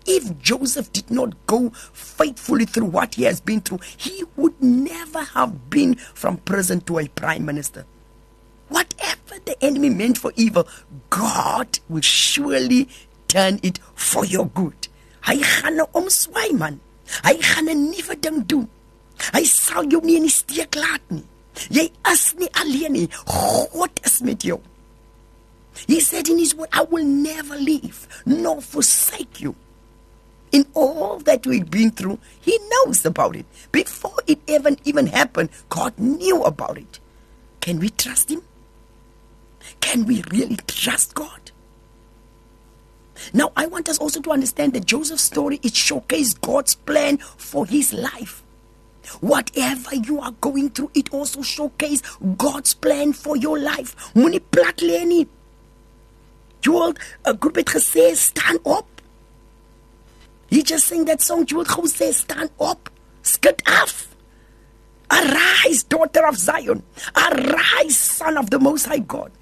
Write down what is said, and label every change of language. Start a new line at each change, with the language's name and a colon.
English: If Joseph did not go faithfully through what he has been through, he would never have been from prison to a prime minister. Whatever the enemy meant for evil, God will surely turn it for your good.
Afrikaans: Hy gaan nou omswaai, man. Hy gaan 'n nuwe ding doen. Hy sal jou nie in die steek laat nie. Jy is nie alleen nie. God is met jou.
English: He said in his word, I will never leave nor forsake you. In all that we've been through, he knows about it. Before it even happened, God knew about it. Can we trust him? Can we really trust God? Now, I want us also to understand that Joseph's story, it showcased God's plan for his life. Whatever you are going through, it also showcased God's plan for your life.
Afrikaans: Moenie plat lê nie. Jy word 'n groep het gesê, staan op.
English: He just sang that song. Jewel Khou says, stand up. Skit af. Arise, daughter of Zion. Arise, son of the Most High God.